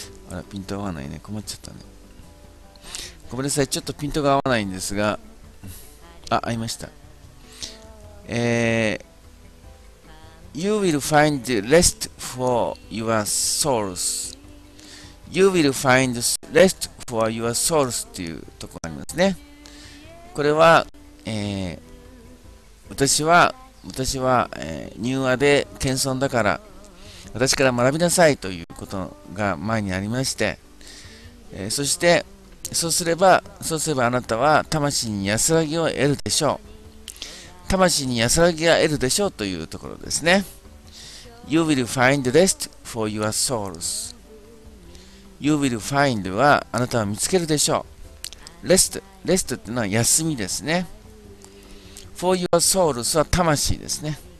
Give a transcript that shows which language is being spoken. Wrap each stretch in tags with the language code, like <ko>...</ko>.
<ja>あら、ピント合わないね。困っちゃったね。ごめんなさい、ちょっとピントが合わないんですが、あ、合いました。</ja> <en>You will find rest for your souls. You will find rest for your souls</en> <ja>っていうところがありますね。これは、私は、柔和で謙遜だから、私から学びなさいということが前にありまして、そしてそうすればあなたは魂に安らぎを得るでしょう。魂に安らぎが得るでしょうというところですね。</ja> <en>You will find rest for your souls. You will find</en> <ja>はあなたは見つけるでしょう。 Rest というのは休みですね。</ja> <en>For your souls</en> <ja>は魂ですね。</ja>